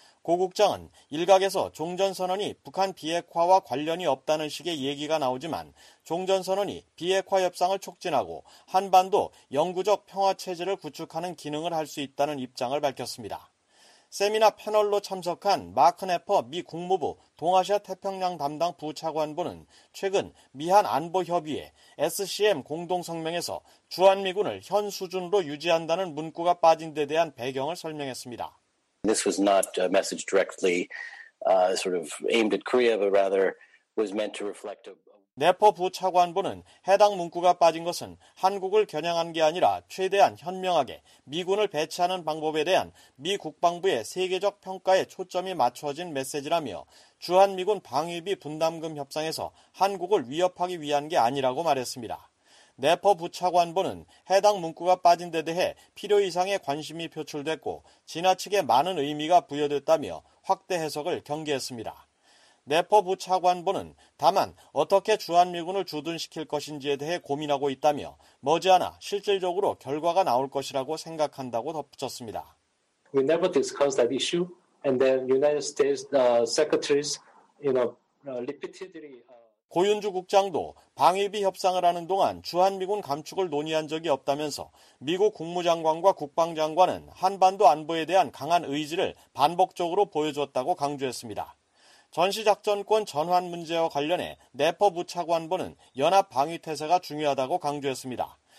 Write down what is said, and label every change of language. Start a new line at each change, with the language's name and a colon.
Korean: 고 국장은 일각에서 종전선언이 북한 비핵화와 관련이 없다는 식의 얘기가 나오지만 종전선언이 비핵화 협상을 촉진하고 한반도 영구적 평화체제를 구축하는 기능을 할 수 있다는 입장을 밝혔습니다. 세미나 패널로 참석한 마크 네퍼 미 국무부 동아시아 태평양 담당 부차관보는 최근 미한 안보협의회 SCM 공동성명에서 주한미군을 현 수준으로 유지한다는 문구가 빠진 데 대한 배경을 설명했습니다.
English: This was not a message directly sort of aimed at Korea, but rather was meant to reflect a
Korean: 네퍼 부차관보는 해당 문구가 빠진 것은 한국을 겨냥한 게 아니라 최대한 현명하게 미군을 배치하는 방법에 대한 미 국방부의 세계적 평가에 초점이 맞춰진 메시지라며 주한미군 방위비 분담금 협상에서 한국을 위협하기 위한 게 아니라고 말했습니다. 네퍼 부차관보는 해당 문구가 빠진 데 대해 필요 이상의 관심이 표출됐고 지나치게 많은 의미가 부여됐다며 확대 해석을 경계했습니다. 네퍼 부차관보는 다만 어떻게 주한미군을 주둔시킬 것인지에 대해 고민하고 있다며 머지않아 실질적으로 결과가 나올 것이라고 생각한다고 덧붙였습니다.
English: We never discussed that issue and then United States secretaries repeatedly
Korean: 고윤주 국장도 방위비 협상을 하는 동안 주한미군 감축을 논의한 적이 없다면서 미국 국무장관과 국방장관은 한반도 안보에 대한 강한 의지를 반복적으로 보여줬다고 강조했습니다. 전시작전권 전환 문제와 관련해 네퍼 부차관보는 연합 방위태세가 중요하다고 강조했습니다.